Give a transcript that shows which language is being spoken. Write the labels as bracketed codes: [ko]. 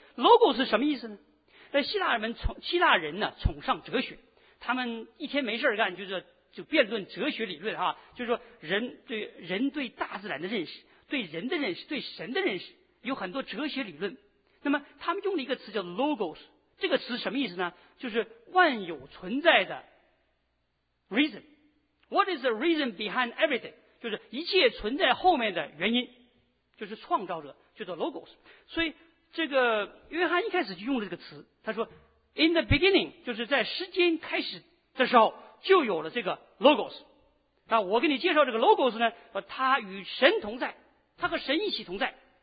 [zh] logos 是什么意思呢？在希腊人呢崇尚哲学，他们一天没事干，就辩论哲学理论啊，就是说人对大自然的认识，对人的认识，对神的认识，有很多哲学理论。那么他们用了一个词叫 logos， 这个词什么意思呢？就是万有存在的 reason。 [en] What is the reason behind everything？ [zh] 就是一切存在后面的原因，就是创造者，就叫 logos。所以这个约翰一开始就用了这个词，他说 [en] in the beginning， [zh] 就是在时间开始的时候就有了这个 logos。那我给你介绍这个 logos 呢，他与神同在，他和神一起同在。